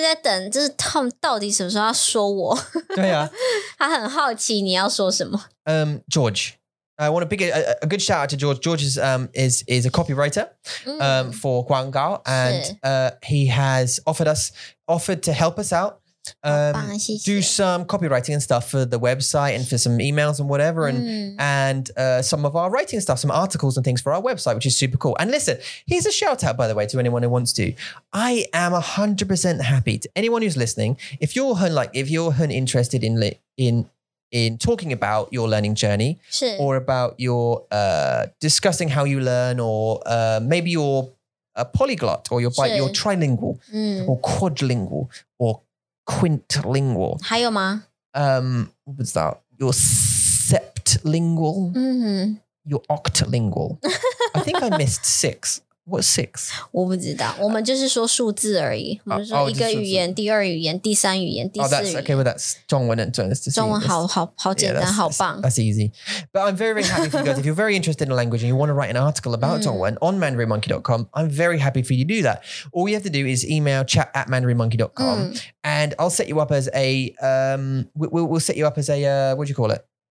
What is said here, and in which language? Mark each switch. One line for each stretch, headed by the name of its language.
Chinese: 就在等，就在等，就是Tom到底什么时候要说我。对啊。他很好奇你要说什么。
English: George. I want to pick a good shout out to George. George is a copywriter for Guanggao, and he has offered to help us out, do some copywriting and stuff for the website and for some emails and whatever, and some of our writing stuff, some articles and things for our website, which is super cool. And listen, here's a shout out, by the way, to anyone who wants to. I am 100% happy to anyone who's listening. If you're interested in talking about your learning journey or about your discussing how you learn or maybe you're a polyglot or you're trilingual or quadlingual or quintlingual.
Chinese: 还有吗?
English: What was that? You're septlingual. Mm-hmm. You're octolingual. I think I missed six. What's six?
Chinese: 我不知道，我们就是说数字而已。我们说一个语言，第二语言，第三语言，第四语言。
English: Oh, that's okay. Well, that's
Chinese: 中文，好简单，好棒。That's
English: easy. But I'm very happy for you guys. If you're very interested in language and you want to write an article about 中文 on mandarinmonkey.com, I'm very happy for you to do that. All you have to do is email chat@mandarinmonkey.com, and I'll set you up as a we'll set you up as a what do you call it?